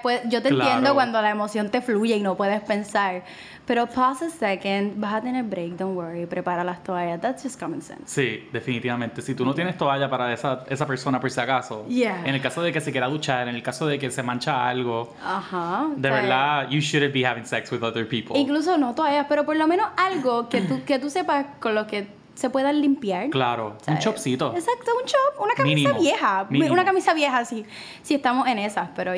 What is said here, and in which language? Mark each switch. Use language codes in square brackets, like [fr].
[es] Pues, yo te entiendo cuando la emoción te fluye y no puedes pensar. Pero [en] pause a second, [es] vas a tener [en] break, don't worry, [es] prepara las toallas. [en] That's just common sense. [es] Sí, definitivamente. Si tú no tienes toalla para esa persona, por si acaso. [en] Yeah. [es] En el caso de que se quiera duchar, en el caso de que se mancha algo. Ajá. De verdad, [en] you shouldn't be having sex with other people. [es] Incluso no toallas, pero por lo menos algo que tú sepas con lo que se puedan limpiar. Claro, ¿sabes? Un chopcito. Exacto, un chop, una camisa mínimo, vieja. Mínimo. Una camisa vieja, sí estamos en esas, pero ya.